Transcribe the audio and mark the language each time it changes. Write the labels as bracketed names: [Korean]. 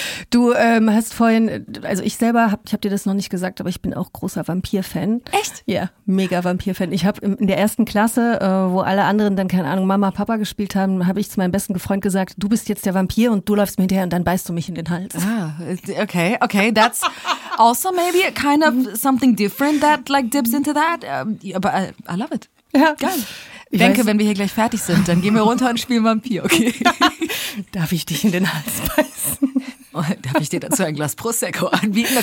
[German] Du hast vorhin, also ich selber, ich hab dir das noch nicht gesagt, aber ich bin auch großer Vampir-Fan. Echt? Ja, mega Vampir-Fan. Ich habe in der ersten Klasse, wo alle anderen dann, keine Ahnung, Mama, Papa gespielt haben, habe ich zu meinem besten Freund gesagt, du bist jetzt der Vampir und du läufst mir hinterher und dann beißt du mich in den Hals. [English] Ah, okay, that's also maybe kind of something different that like dips into that, but I love it. [German] Ja. Geil. Ich denke, wenn wir hier gleich fertig sind, dann gehen wir runter und spielen Vampir, okay? Darf ich dich in den Hals beißen? Darf ich dir dazu ein Glas Prosecco anbieten?